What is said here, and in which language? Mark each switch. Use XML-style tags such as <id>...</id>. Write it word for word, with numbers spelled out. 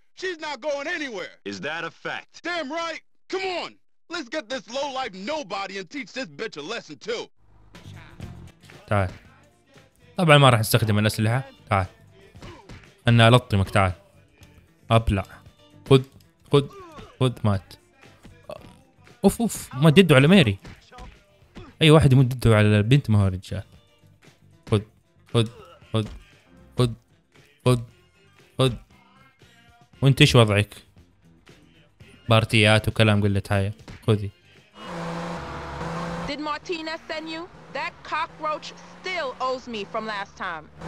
<en>She's not going anywhere. Is that a fact? Damn right. Come on. Let's get this lowlife nobody and teach this bitch a lesson too.</en> <ar>تعال. طبعا ما راح نستخدم الأسلحة. تعال. أنا ألطمك تعال. أبلع. خذ خذ خذ مات. أوف أوف ما ددوا على ميري. أي واحد يمد دده على البنت ما هو رجال. خذ خذ خذ خذ خذ خذ. وانت ايش وضعك؟ بارتيات وكلام قلة حياة. خذي.</ar> <en>Did Martinez send you? That cockroach still owes me from last time.</en>